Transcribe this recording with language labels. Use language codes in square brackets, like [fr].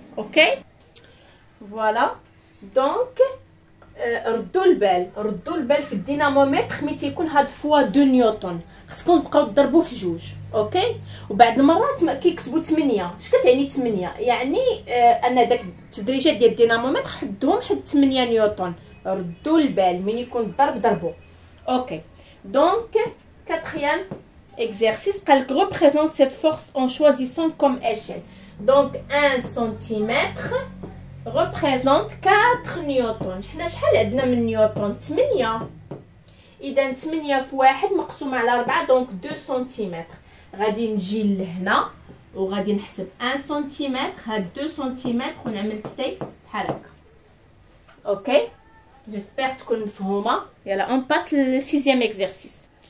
[ar] اوكي فوالا دونك ردوا البال، ردوا البال في الديناموميتر مي تيكون هاد فوا 2 نيوتن، خصكم تبقاو تضربوا في جوج. اوكي وبعد المرات ما كيكتبوا 8، اش كتعني 8؟ يعني ان داك التدريجات ديال الديناموميتر حدهم حد 8 نيوتن، ردوا البال من يكون الضرب ضربوا. [fr] اوكي دونك quatrième exercice, qu'elle représente cette force en choisissant comme échelle. Donc 1 cm représente 4 newtons. [ar] حنا شحال عندنا من نيوتن؟ 8. اذا 8 × 1 مقسومه على 4 دونك 2 سنتيمتر. غادي نجي لهنا وغادي نحسب 1 سنتيمتر هاد 2 سنتيمتر ونعمل تي بحال هكا. اوكي جيسبر تكون مفهومه. يلا اون باس للسيزيام اكزرسيس.